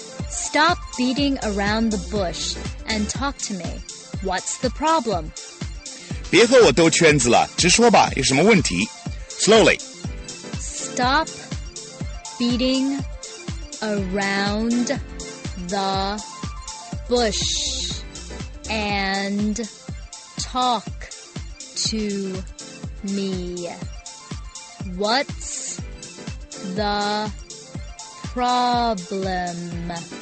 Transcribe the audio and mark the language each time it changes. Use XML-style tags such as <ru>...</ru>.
<en>Stop beating around the bush and talk to me. What's the problem?</en> <zh>别和我兜圈子了，直说吧，有什么问题？</zh> <en>Slowly. Stop beating around the bush and talk to me. What's the problem?</en>